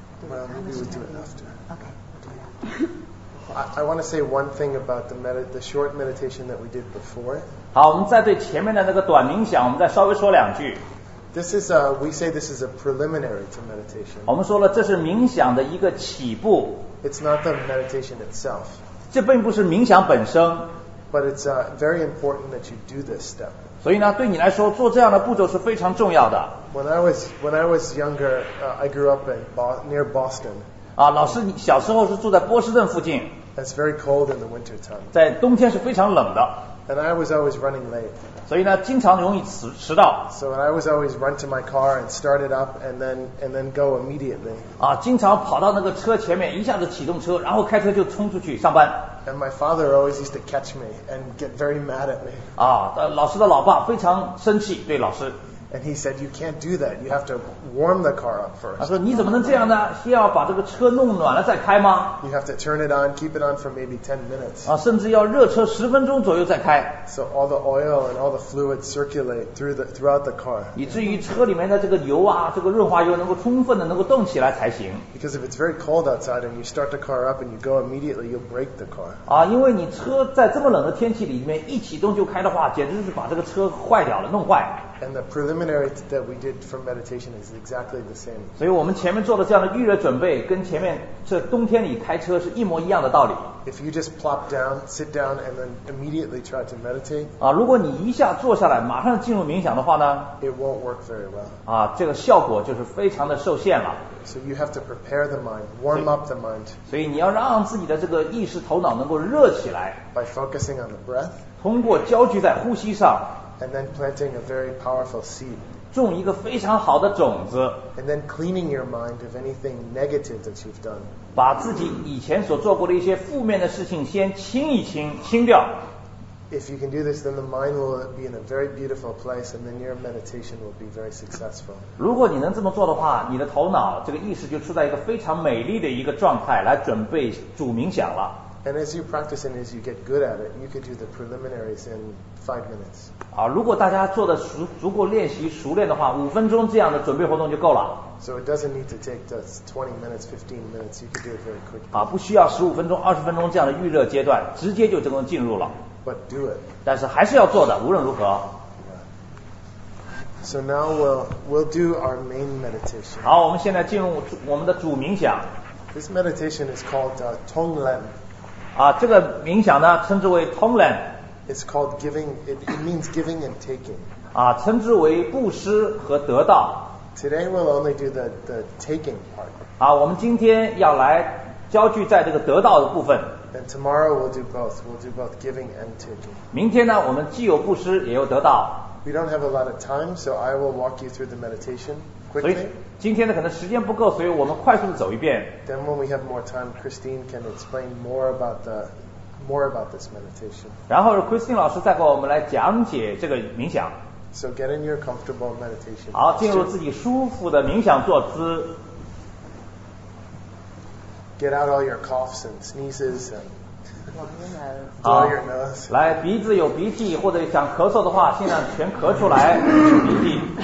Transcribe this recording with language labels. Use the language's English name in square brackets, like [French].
[English] Well, maybe we'll do it after. Okay. I want to say one thing about the short meditation that we did before. [Chinese] 好，我们再对前面的那个短冥想，我们再稍微说两句。 [English] We say this is a preliminary to meditation. [Chinese] 我们说了，这是冥想的一个起步。 [English] It's not the meditation itself. [Chinese] 这并不是冥想本身。 [English] But it's very important that you do this step. [Chinese] 所以呢，对你来说，做这样的步骤是非常重要的。 [English] When I was younger, I grew up in near Boston. [Chinese] 啊，老师小时候是住在波士顿附近。 [English] It's very cold in the winter time. [Chinese] 在冬天是非常冷的。 [English] And I was always running late. [Chinese] 所以呢，经常容易迟到。 [English] So I was always run to my car and start it up and then go immediately. [Chinese] 啊，经常跑到那个车前面，一下子启动车，然后开车就冲出去上班。 [English] And my father always used to catch me and get very mad at me. [Chinese] 啊，老师的老爸非常生气，对老师。 [English] And he said, "You can't do that. You have to warm the car up first." [Chinese] 他说你怎么能这样呢？需要把这个车弄暖了再开吗 [English] ？You have to turn it on, keep it on for maybe 10 minutes. [Chinese] 啊，甚至要热车10分钟左右再开。 [English] So all the oil and all the fluid circulate throughout the car. [Chinese] 以至于车里面的这个油啊，这个润滑油能够充分的能够动起来才行。 [English] Because if it's very cold outside and you start the car up and you go immediately, you'll break the car. [Chinese] 啊，因为你车在这么冷的天气里面一启动就开的话，简直是把这个车坏掉了，弄坏。 [English] And the preliminary that we did for meditation is exactly the same. [Chinese] 所以我们前面做的这样的预热准备，跟前面这冬天里开车是一模一样的道理。 [English] If you just plop down, sit down, and then immediately try to meditate, [Chinese] 啊，如果你一下坐下来，马上进入冥想的话呢 [English] ，it won't work very well. [Chinese] 啊，这个效果就是非常的受限了。 [English] So you have to prepare the mind, warm up the mind. [Chinese] 所以你要让自己的这个意识头脑能够热起来。 [English] By focusing on the breath, [Chinese] 通过焦聚在呼吸上。 [English] And then planting a very powerful seed. [Chinese] 种一个非常好的种子。 [English] And then cleaning your mind of anything negative that you've done. [Chinese] 把自己以前所做过的一些负面的事情先清一清，清掉。 [English] If you can do this, then the mind will be in a very beautiful place, and then your meditation will be very successful. [Chinese] 如果你能这么做的话，你的头脑这个意识就处在一个非常美丽的一个状态，来准备主冥想了。 [English] And as you practice and as you get good at it, you could do the preliminaries in 5 minutes. [Chinese] 啊，如果大家做的足够练习熟练的话，五分钟这样的准备活动就够了。 [English] So it doesn't need to take just 20 minutes, 15 minutes. You could do it very quickly. [Chinese] 啊，不需要15分钟、20分钟这样的预热阶段，直接就能进入了。 [English] But do it. [Chinese] 但是还是要做的，无论如何。 [English] So now we'll do our main meditation. [Chinese] 好，我们现在进入我们的主冥想。 [English] This meditation is called Tonglen. [Chinese] 啊，这个冥想呢，称之为 Tonglen。 [English] It's called giving. It means giving and taking. [Chinese] 啊，称之为布施和得到。 [English] Today we'll only do the taking part. [Chinese] 啊，我们今天要来焦聚在这个得到的部分。 [English] And tomorrow we'll do both. We'll do both giving and taking. [Chinese] 明天呢，我们既有布施也有得到。 [English] We don't have a lot of time, so I will walk you through the meditation. [Chinese] 所以今天呢，可能时间不够，所以我们快速的走一遍。 [English] Then when we have more time, Christine can explain more about this meditation. [Chinese] 然后 Christine 老师再给我们来讲解这个冥想。 [English] So get in your comfortable meditation. [Chinese] 好，进入自己舒服的冥想坐姿。 [English] Get out all your coughs and sneezes and blow your nose. [Chinese] 来，鼻子有鼻涕或者想咳嗽的话，尽量全咳出来，吐鼻涕。